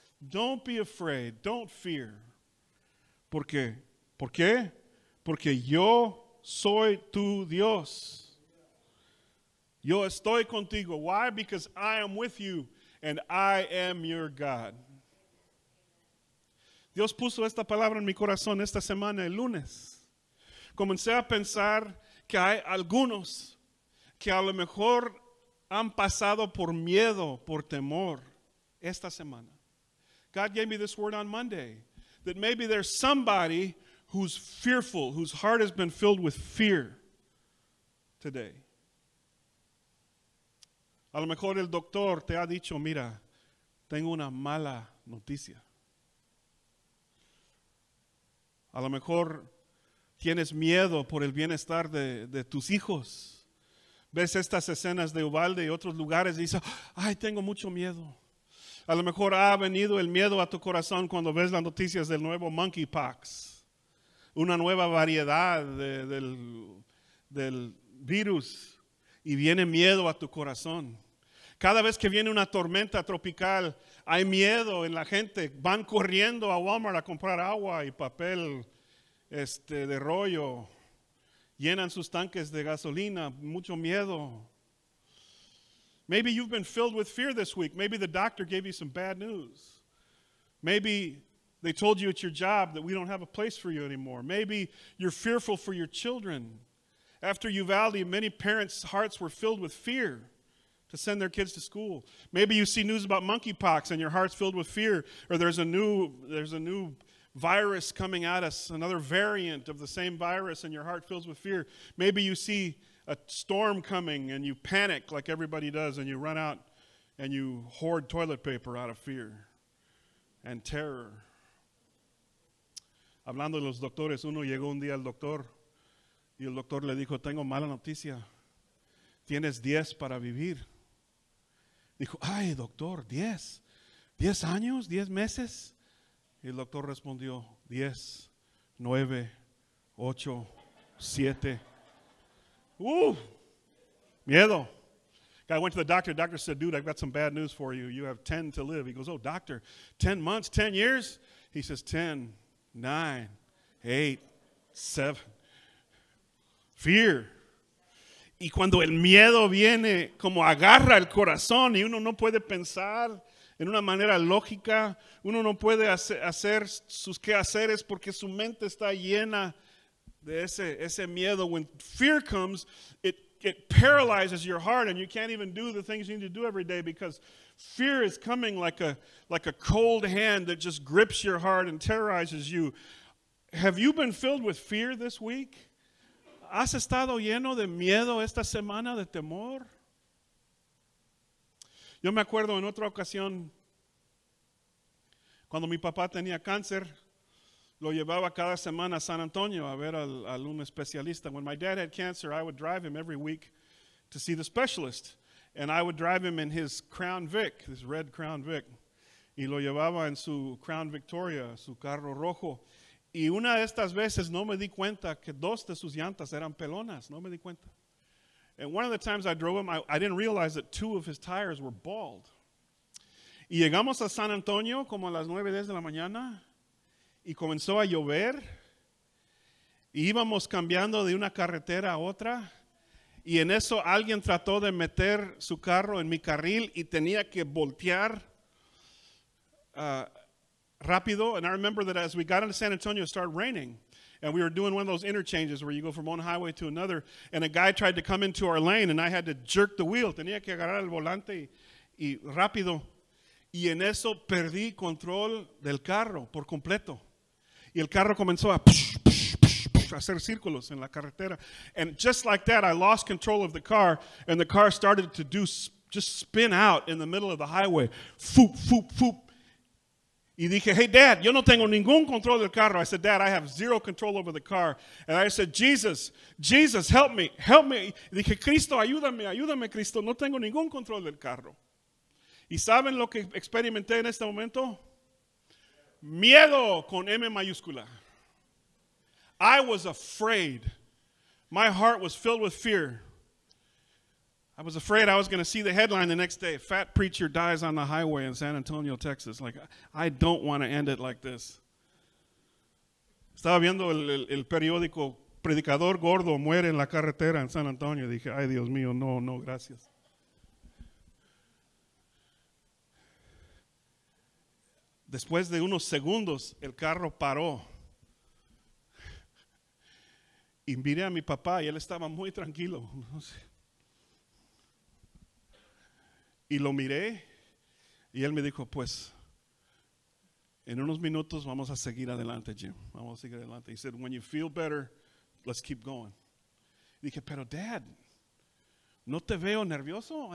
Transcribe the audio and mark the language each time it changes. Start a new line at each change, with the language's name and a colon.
English: Don't be afraid. Don't fear.
Spanish: ¿Por qué? ¿Por qué? Porque yo soy tu Dios. Yo estoy contigo.
English: Why? Because I am with you and I am your God.
Spanish: Dios puso esta palabra en mi corazón esta semana, el lunes. Comencé a pensar que hay algunos que a lo mejor han pasado por miedo, por temor esta semana.
English: God gave me this word on Monday that maybe there's somebody who's fearful, whose heart has been filled with fear today.
Spanish: A lo mejor el doctor te ha dicho, mira, tengo una mala noticia. A lo mejor tienes miedo por el bienestar de tus hijos. Ves estas escenas de Uvalde y otros lugares y dices, ay, tengo mucho miedo. A lo mejor ha venido el miedo a tu corazón cuando ves las noticias del nuevo monkeypox. Una nueva variedad del virus. Y viene miedo a tu corazón. Cada vez que viene una tormenta tropical, hay miedo en la gente. Van corriendo a Walmart a comprar agua y papel de rollo. Llenan sus tanques de gasolina. Mucho miedo.
English: Maybe you've been filled with fear this week. Maybe the doctor gave you some bad news. Maybe they told you at your job that we don't have a place for you anymore. Maybe you're fearful for your children. After Uvalde, many parents' hearts were filled with fear to send their kids to school. Maybe you see news about monkeypox and your heart's filled with fear. Or there's a new virus coming at us, another variant of the same virus, and your heart fills with fear. Maybe you see a storm coming and you panic like everybody does and you run out and you hoard toilet paper out of fear and terror.
Spanish: Hablando de los doctores, uno llegó un día al doctor y el doctor le dijo, tengo mala noticia. Tienes 10 para vivir. Dijo, ay, doctor, 10. ¿10 años? ¿10 meses? Y el doctor respondió, 10, 9, 8, 7. Miedo.
English: Guy went to the doctor. The doctor said, dude, I've got some bad news for you. You have 10 to live. He goes, oh, doctor, 10 months, 10 years? He says, 10, 9, 8, 7. Fear.
Spanish: Y cuando el miedo viene, como agarra el corazón y uno no puede pensar en una manera lógica, uno no puede hacer sus quehaceres porque su mente está llena de ese miedo.
English: When fear comes, it paralyzes your heart and you can't even do the things you need to do every day because fear is coming like a cold hand that just grips your heart and terrorizes you. Have you been filled with fear this week?
Spanish: ¿Has estado lleno de miedo esta semana, de temor? Yo me acuerdo en otra ocasión, cuando mi papá tenía cáncer, lo llevaba cada semana a San Antonio a ver al un especialista.
English: When my dad had cancer, I would drive him every week to see the specialist. And I would drive him in his Crown Vic, his red Crown Vic.
Spanish: Y lo llevaba en su Crown Victoria, su carro rojo. Y una de estas veces no me di cuenta que dos de sus llantas eran pelonas. No me di cuenta.
English: And one of the times I drove him, I didn't realize that two of his tires were bald.
Spanish: Y llegamos a San Antonio como a las 9:10 de la mañana. Y comenzó a llover. Y íbamos cambiando de una carretera a otra. Y en eso alguien trató de meter su carro en mi carril y tenía que voltear rápido.
English: And I remember that as we got into San Antonio, it started raining. And we were doing one of those interchanges where you go from one highway to another. And a guy tried to come into our lane and I had to jerk the wheel.
Spanish: Tenía que agarrar el volante y rápido. Y en eso perdí control del carro por completo. Y el carro comenzó a psh, psh, psh, psh, hacer círculos en la carretera.
English: And just like that, I lost control of the car. And the car started to do just spin out in the middle of the highway. Foop, foop, foop.
Spanish: Y dije, hey, Dad, yo no tengo ningún control del carro. I said, Dad, I have zero control over the car. And I said, Jesus, help me, help me. Y dije, Cristo, ayúdame, ayúdame, Cristo. No tengo ningún control del carro. ¿Y saben lo que experimenté en este momento? Miedo con M mayúscula.
English: I was afraid. My heart was filled with fear. I was afraid I was going to see the headline the next day. Fat preacher dies on the highway in San Antonio, Texas. Like, I don't want to end it like this.
Spanish: Estaba viendo el periódico Predicador Gordo muere en la carretera en San Antonio. Dije, ay, Dios mío, no, no, gracias. Después de unos segundos, el carro paró. Y miré a mi papá y él estaba muy tranquilo. Y lo miré y él me dijo, pues, en unos minutos vamos a seguir adelante, Jim. Vamos a seguir adelante.
English: He said, when you feel better, let's keep going.
Spanish: Y dije, pero Dad, ¿no te veo nervioso?